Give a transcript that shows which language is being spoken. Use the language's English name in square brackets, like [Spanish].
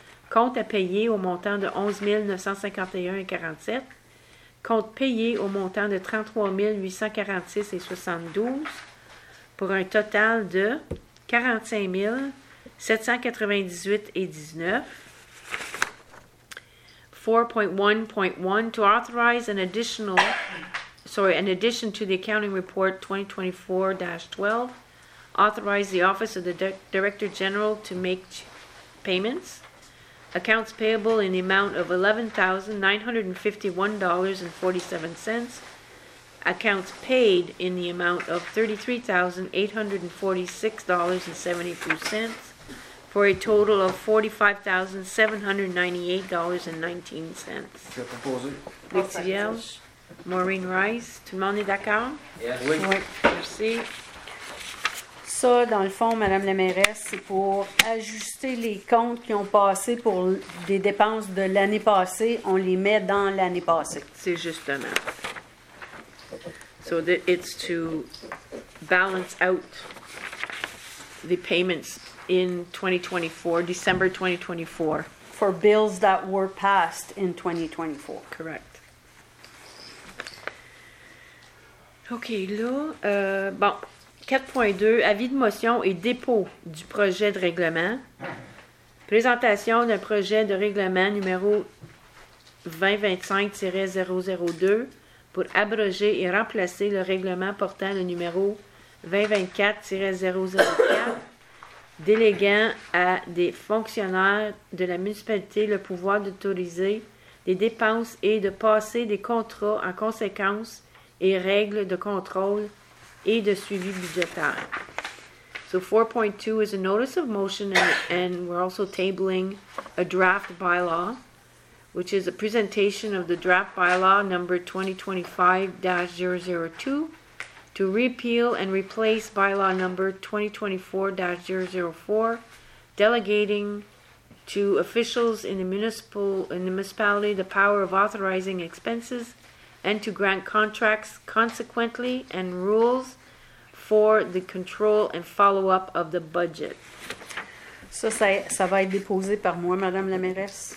[French] Compte à payer au montant de 11 951,47. Compte payé au montant de 33 846,72 pour un total de 45 798,19. [English] 4.1.1 to authorize an additional, an addition to the accounting report 2024-12. Authorize the Office of the Director General to make payments. Accounts payable in the amount of $11,951.47. Accounts paid in the amount of $33,846.72 for a total of $45,798.19. [French] Je propose. Luc Thivierge, Maureen Rice, tout le monde est d'accord? [English] Yes. [French] Oui. Merci. Ça, dans le fond, Madame la mairesse, c'est pour ajuster les comptes qui ont passé pour des dépenses de l'année passée. On les met dans l'année passée. C'est justement. [English] So that it's to balance out the payments in 2024, December 2024. For bills that were passed in 2024. Correct. [French] OK, là, bon... 4.2, avis de motion et dépôt du projet de règlement. Présentation d'un projet de règlement numéro 2025-002 pour abroger et remplacer le règlement portant le numéro 2024-004, déléguant à des fonctionnaires de la municipalité le pouvoir d'autoriser des dépenses et de passer des contrats en conséquence et règles de contrôle et de suivi budgétaire. [English] So 4.2 is a notice of motion and we're also tabling a draft bylaw, which is a presentation of the draft bylaw number 2025-002 to repeal and replace bylaw number 2024-004, delegating to officials in the municipality the power of authorizing expenses and to grant contracts consequently and rules for the control and follow-up of the budget. [French] Ça va être déposé par moi, Madame la mairesse.